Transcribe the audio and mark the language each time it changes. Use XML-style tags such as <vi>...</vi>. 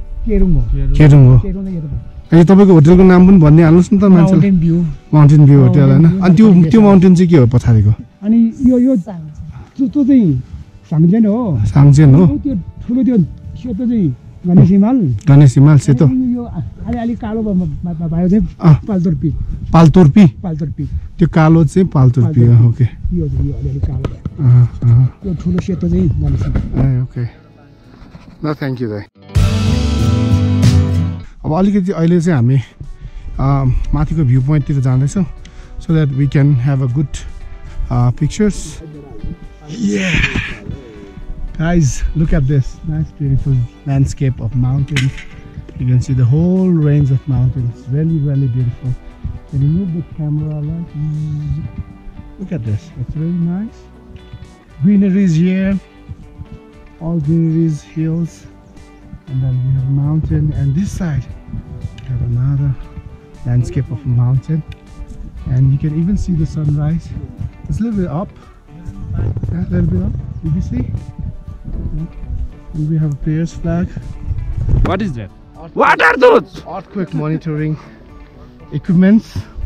<ne>kerung ho अनि तपाईको होटलको नाम पनि भन्ने हाल्नुस् न त मान्छेले माउन्टेन भ्यू होटल हैन अनि त्यो माउन्टेन चाहिँ के हो पछाडीको अनि यो त्यो चाहिँ सामजेन हो सामजेन हो त्यो ठुलो त्यो के त चाहिँ गणेश हिमाल गणेश हिमाल सेतो यो अलि कालो भयो चाहिँ पालतुर्पी पालतुर्पी पालतुर्पी त्यो कालो चाहिँ पालतुर्पी हो ओके यो चाहिँ अलि कालो अ अ त्यो ठुलो सेतो चाहिँ गणेश हिमाल ए ओके न</ne> <en>thank you</en> <ne>दाइ अब अलिकति अहिले चाहिँ हामी माथिको भ्यू पोइन्टतिर जाँदैछौँ</ne> <en>So that we can have a good pictures guys look at this nice beautiful landscape of mountains you can see the whole range of mountains very very beautiful can you move the camera like look at this it's very nice greenery is here all greenery is hills And then we have a mountain, and this side we have another landscape of a mountain, and you can even see the sunrise. It's a little bit up, yeah, a little bit up. Did you see? Yeah. And we have a prayers flag. What is that? What are those? Earthquake monitoring equipments.</en>